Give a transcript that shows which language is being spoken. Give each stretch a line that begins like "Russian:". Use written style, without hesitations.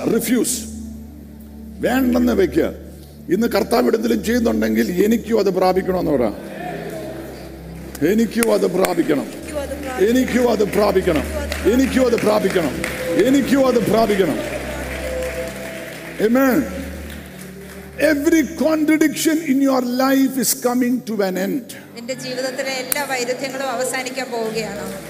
Malayalam: Refuse, വേണ്ടെന്ന് വെക്കുക. ഇന്ന് കർത്താവ് എടുത്തലും ചെയ്യുന്നുണ്ടെങ്കിൽ എനിക്കും അത് പ്രാപിക്കണമെന്ന് പറയാം. എനിക്കും അത് പ്രാപിക്കണം, എനിക്കും അത് പ്രാപിക്കണം, എനിക്കും അത് പ്രാപിക്കണം, എനിക്കും അത് പ്രാപിക്കണം. ആമേൻ.
English: Every contradiction in your life is coming to an end.
Malayalam: എന്റെ ജീവിതത്തിലെ എല്ലാ വൈരുദ്ധ്യങ്ങളും അവസാനിക്കാൻ പോവുകയാണ്.